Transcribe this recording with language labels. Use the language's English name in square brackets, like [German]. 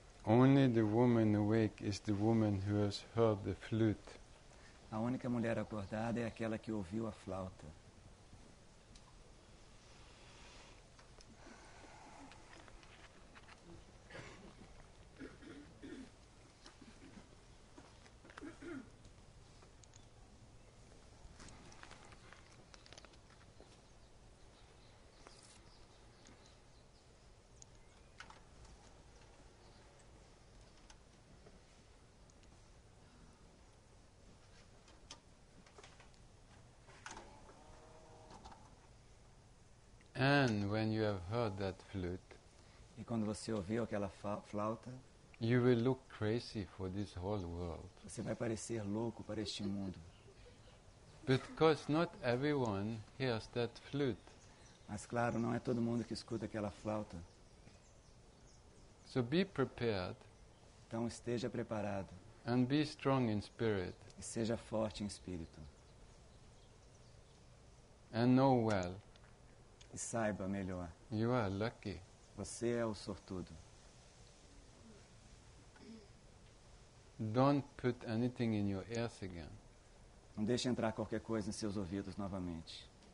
[English] Only the woman awake is the woman who has heard the flute. [Portuguese] A única mulher acordada é aquela que ouviu a flauta. [English] And when you have heard that flute, [Portuguese] e quando você ouviu aquela flauta, [English] you will look crazy for this whole world. [Portuguese] Você vai parecer louco para este mundo. [English] Because not everyone hears that flute. [Portuguese] Mas claro, não é todo mundo que escuta aquela flauta. [English] So be prepared. [Portuguese] Então esteja preparado. [English] And be strong in spirit. [Portuguese] E seja forte em espírito. [English] And know well. [Portuguese] E saiba melhor. [English] You are lucky. [Portuguese] Você é o sortudo. [English] Don't put anything in your ears again. [Portuguese] Não deixe entrar qualquer coisa em seus ouvidos novamente.